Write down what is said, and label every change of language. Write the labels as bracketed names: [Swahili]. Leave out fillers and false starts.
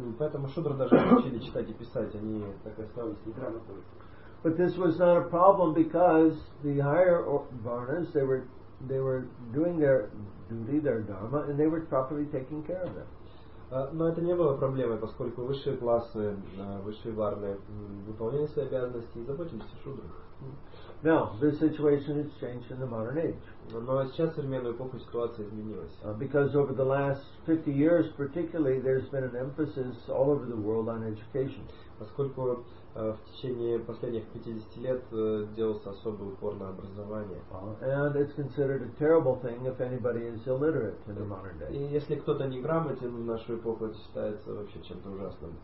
[Russian] Поэтому шудры даже не учили читать и писать. Они так остались неграмотными. [English] But this was not a problem because the higher varnas they were doing their duty, their dharma, and they were properly taking care of them. [Russian] Но это не было проблемой, поскольку высшие классы, высшие варны выполняли свои обязанности и заботились о шудрах. [English] Now, this situation has changed in the modern age. [Russian] Но сейчас в современную эпоху ситуация изменилась. [English] Because over the last 50 years particularly, there's been an emphasis all over the world on education. [Russian] Поскольку в течение последних 50 лет делался особый упор на образование. [English] And it's considered a terrible thing if anybody is illiterate in the modern day. [Russian] И если кто-то неграмотен в нашу эпоху, это считается вообще чем-то ужасным.